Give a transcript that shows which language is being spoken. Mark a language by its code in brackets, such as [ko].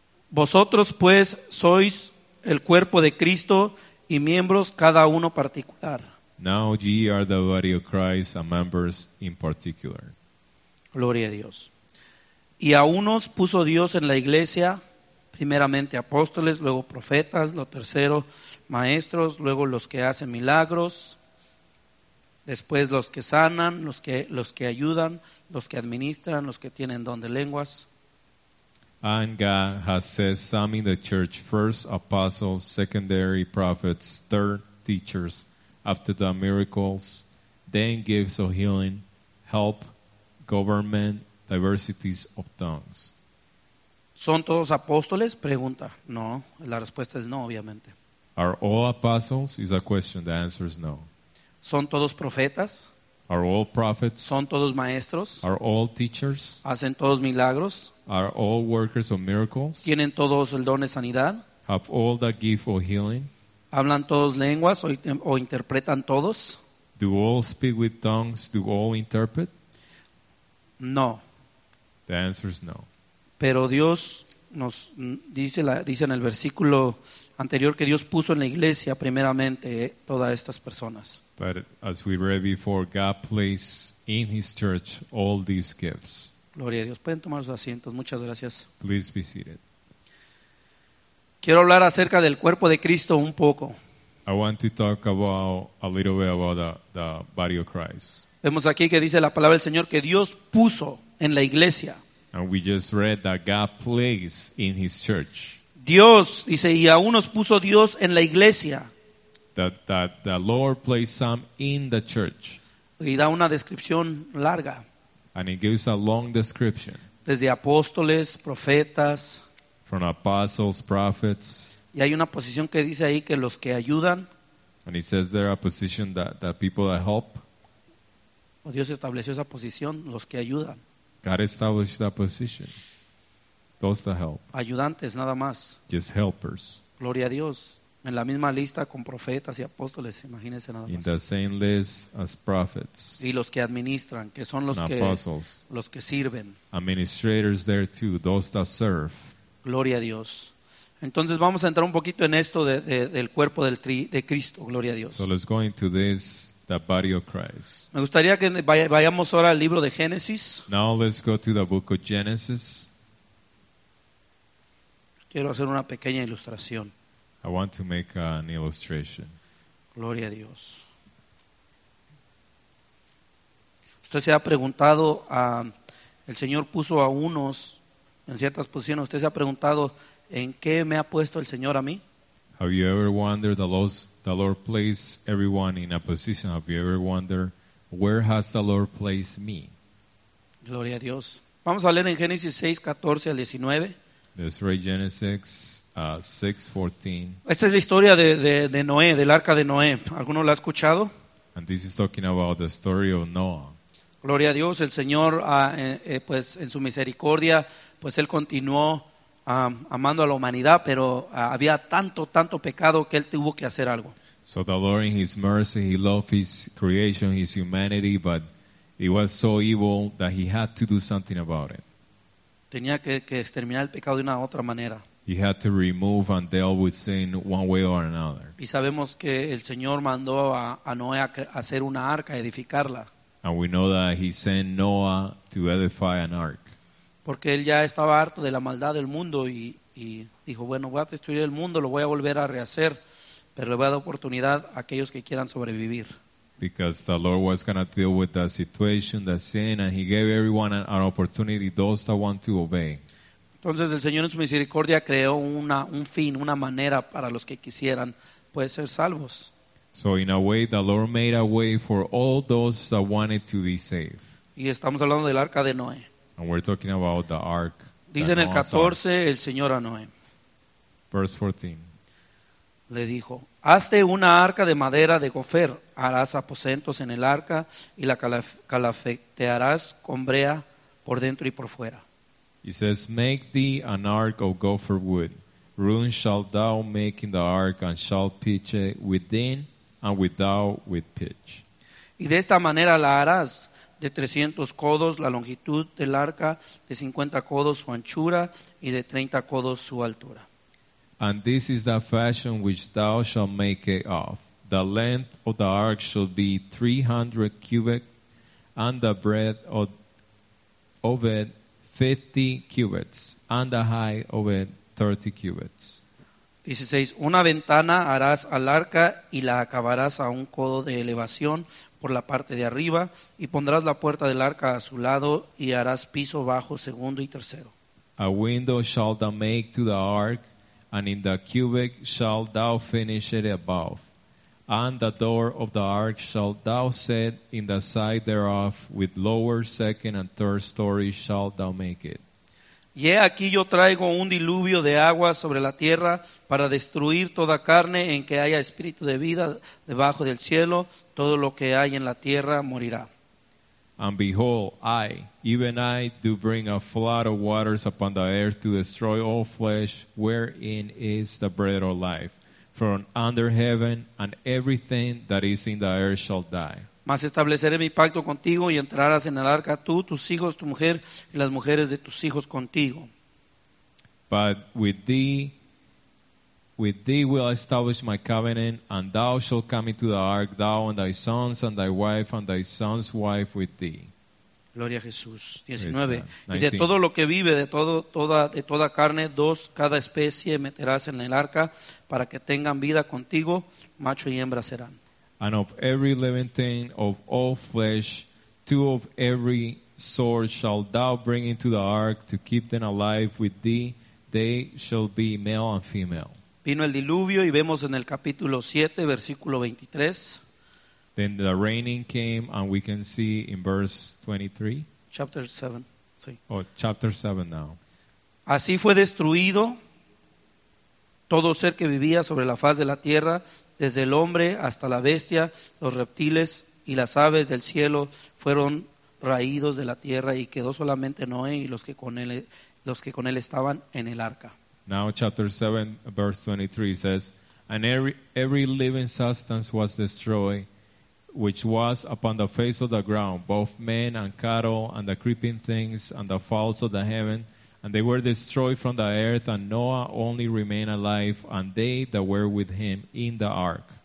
[es] Vosotros, pues, sois el cuerpo de Cristo y miembros cada uno particular. [en] Now ye are the body of Christ and members in particular. [es] Gloria a Dios. Y a unos puso Dios en la iglesia... Primeramente apóstoles, luego profetas, lo tercero maestros, luego los que hacen milagros, después los que sanan, los que ayudan, los que administran, los que tienen don de lenguas. [en] And God has set some in the church, first apostles, secondary prophets, third teachers, after the miracles, then gifts of healing, help, government, diversities of tongues. [es] ¿Son todos apóstoles? Pregunta. No, la respuesta es no, obviamente. [en] Are all apostles? Is a question. The answer is no. [es] ¿Son todos profetas? [en] Are all prophets? [es] ¿Son todos maestros? [en] Are all teachers? [es] ¿Hacen todos milagros? [en] Are all workers of miracles? [es] ¿Tienen todos el don de sanidad? [en] Have all the gift of healing? [es] ¿Hablan todos lenguas o interpretan todos? [en] Do all speak with tongues? Do all interpret? [es] No. [en] The answer is no. [es] Pero Dios nos dice, dice en el versículo anterior que Dios puso en la iglesia primeramente todas estas personas. [en] But as we read before, God placed in His church all these gifts. [es] Gloria a Dios. Pueden tomar sus asientos. Muchas gracias. [en] Please be seated. [es] Quiero hablar acerca del cuerpo de Cristo un poco. [en] I want to talk about a little bit about the body of Christ. [es] Vemos aquí que dice la palabra del Señor que Dios puso en la iglesia. [en] And we just read that God placed in his church. [es] Dios dice, y aún nos puso Dios en la iglesia. [en] That the Lord placed some in the church. [es] Y da una descripción larga. [en] And it gives a long description. [es] Desde apóstoles, profetas. [en] From apostles, prophets. [es] Y hay una posición que dice ahí que los que ayudan. [en] And it says there are positions that people that help. [es] O Dios estableció esa posición, los que ayudan. [en] God established that position. Those that help. [es] Ayudantes nada más. [en] Just helpers. [es] Gloria a Dios. En la misma lista con profetas y apóstoles, imagínense nada más. [en] In the same list as prophets. [es] Y los que administran, que son los [en] and [es] que [en] apostles. [es] Los que sirven. [en] Administrators there too, those that serve. [es] Gloria a Dios. Entonces vamos a entrar un poquito en esto del cuerpo de Cristo, gloria a Dios. [en] So let's go into this, the body of Christ. [es] Me gustaría que vayamos ahora al libro de Génesis. [en] Now let's go to the book of Genesis. [es] Quiero hacer una pequeña ilustración. [en] I want to make an illustration. [es] Gloria a Dios. Usted se ha preguntado, el Señor puso a unos en ciertas posiciones. Usted se ha preguntado, ¿en qué me ha puesto el Señor a mí? [en] Have you ever wondered the Lord placed everyone in a position? Have you ever wondered where has the Lord placed me? [es] Gloria a Dios. Vamos a leer en Génesis 6:14-19. [en] Let's read Genesis 6:14. [es] Esta es la historia de Noé, del arca de Noé. ¿Alguno la ha escuchado? [en] And this is talking about the story of Noah. [es] Gloria a Dios, el Señor, pues en su misericordia, pues él continuó amando a la humanidad, pero había tanto pecado que él tuvo que hacer algo. [en] So the Lord in his mercy, he loved his creation, his humanity, but it was so evil that he had to do something about it. [es] Tenía que exterminar el pecado de una otra manera. [en] He had to remove and deal with sin one way or another. [es] Y sabemos que el Señor mandó a Noé a hacer una arca, a edificarla. [en] And we know that he sent Noah to edify an ark. [es] Porque él ya estaba harto de la maldad del mundo y dijo, bueno, voy a destruir el mundo, lo voy a volver a rehacer, pero le voy a dar oportunidad a aquellos que quieran sobrevivir. [en] Because the Lord was going to deal with that situation, that sin, and he gave everyone an opportunity, those that want to obey. [es] Entonces el Señor en su misericordia creó un fin, una manera para los que quisieran, pues, ser salvos. [en] So in a way, the Lord made a way for all those that wanted to be saved. [es] Y estamos hablando del arca de Noé. [en] And we're talking about the ark. [es] Dice en el 14, el Señor a Noé. [en] Verse 14. [es] Le dijo, hazte una arca de madera de gofer. Harás aposentos en el arca y la calafetearás con brea por dentro y por fuera. [en] He says, make thee an ark of gopher wood. Room shalt thou make in the ark and shalt pitch it within and without with pitch. [es] Y de esta manera la harás. De 300 codos la longitud del arca, de 50 codos su anchura y de 30 codos su altura. [en] And this is the fashion which thou shalt make it of. The length of the ark shall be 300 cubits and the breadth of it 50 cubits and the height of it 30 cubits. [es] 16. Una ventana harás al arca y la acabarás a un codo de elevación por la parte de arriba y pondrás la puerta del arca a su lado y harás piso bajo segundo y tercero. [en] A window shalt thou make to the ark and in the cubic shalt thou finish it above. And the door of the ark shalt thou set in the side thereof with lower second and third story shalt thou make it. [es] Y he aquí yo traigo un diluvio de agua sobre la tierra para destruir toda carne en que haya espíritu de vida debajo del cielo. Todo lo que hay en la tierra morirá. [en] And behold, I do bring a flood of waters upon the earth to destroy all flesh wherein is the bread of life. From under heaven and everything that is in the earth shall die. [es] Mas estableceré mi pacto contigo y entrarás en el arca tú, tus hijos, tu mujer y las mujeres de tus hijos contigo. [en] But with thee will I establish my covenant, and thou shalt come into the ark, thou and thy sons and thy wife and thy son's wife with thee. [es] Gloria a Jesús. 19. Y de todo lo que vive, de toda carne, dos cada especie meterás en el arca para que tengan vida contigo, macho y hembra serán. [en] And of every living thing of all flesh, two of every sort shall thou bring into the ark to keep them alive with thee, they shall be male and female. [es] Vino el diluvio y vemos en el capítulo 7, versículo 23. [en] Then the raining came, and we can see in verse 23. Chapter 7. [es] Sí. [en] Oh, chapter 7 now. [es] Así fue destruido todo ser que vivía sobre la faz de la tierra, desde el hombre hasta la bestia, los reptiles y las aves del cielo fueron raídos de la tierra, y quedó solamente Noé y los que con él estaban en el arca. [en] Now chapter 7, verse 23 says, and every living substance was destroyed, which was upon the face of the ground, both men and cattle and the creeping things and the fowls of the heaven, and they were destroyed from the earth, and Noah only remained alive and they that were with him in the ark.